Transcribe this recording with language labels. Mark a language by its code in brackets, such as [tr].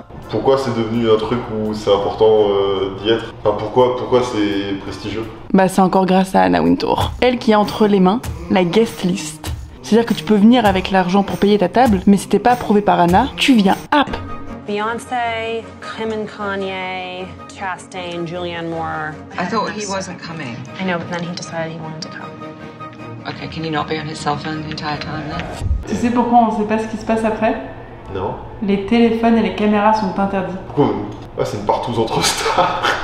[fr] Pourquoi c'est devenu un truc où c'est important d'y être? Enfin, pourquoi c'est prestigieux? Bah, c'est encore grâce à Anna Wintour. Elle qui a entre les mains la guest list. C'est-à-dire que tu peux venir avec l'argent pour payer ta table, mais si t'es pas approuvé par Anna, tu viens, hop! [en] Beyoncé, Kim and Kanye, Chastain, Julianne Moore. I thought he wasn't coming. I know, but then he decided he wanted to come. Okay, can you not be on his cell phone the entire time then? [fr] Tu sais pourquoi on sait pas ce qui se passe après? Non. Les téléphones et les caméras sont interdits. Pourquoi? Ah, c'est une partout entre stars.